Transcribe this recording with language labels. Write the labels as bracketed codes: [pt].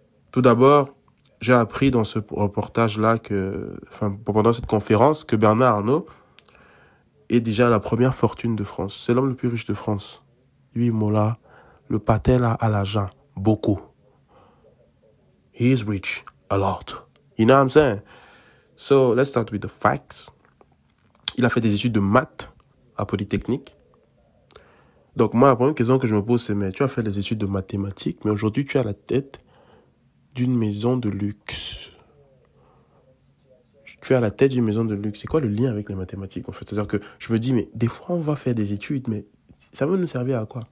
[fr] Tout d'abord, j'ai appris dans ce reportage-là pendant cette conférence, que Bernard Arnault est déjà la première fortune de France. C'est l'homme le plus riche de France. Lui, Mola, le paté là à l'argent, beaucoup. [en] He is rich, a lot. You know what I'm saying? So, let's start with the facts. [fr] Il a fait des études de maths à Polytechnique. Donc, moi, la première question que je me pose, c'est, mais tu as fait des études de mathématiques, mais aujourd'hui, tu as la tête d'une maison de luxe. Tu es à la tête d'une maison de luxe. C'est quoi le lien avec les mathématiques, en fait? C'est-à-dire que je me dis, mais des fois, on va faire des études, mais ça va nous servir à quoi?